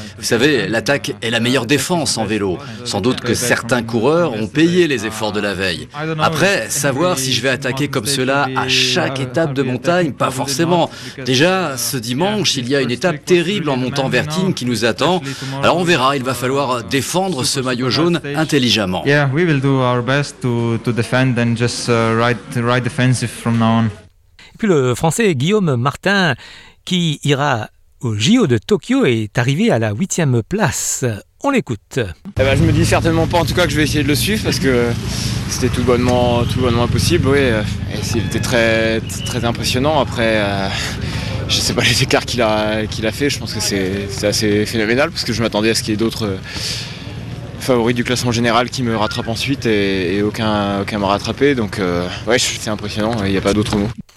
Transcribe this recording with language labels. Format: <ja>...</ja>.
<fr>Vous savez, l'attaque est la meilleure défense en vélo. Sans doute que certains coureurs ont payé les efforts de la veille. Après, savoir si je vais attaquer comme cela à chaque étape de montagne, pas forcément. Déjà, ce dimanche, il y a une étape terrible en montant Vertine qui nous attend. Alors on verra, il va falloir défendre ce maillot jaune intelligemment.</fr> <en>Yeah, we will do our best to defend. And just ride defensive from now on.</en> <fr>Et puis le français Guillaume Martin, qui ira au JO de Tokyo, est arrivé à la 8e place. On l'écoute. Eh ben, je me dis certainement pas en tout cas que je vais essayer de le suivre parce que c'était tout bonnement impossible. Oui. Et c'était très, très impressionnant. Après, je sais pas les écarts qu'il a fait. Je pense que c'est assez phénoménal parce que je m'attendais à ce qu'il y ait d'autres favori du classement général qui me rattrape ensuite et aucun m'a rattrapé, donc ouais, c'est impressionnant, il n'y a pas d'autre mot.</fr>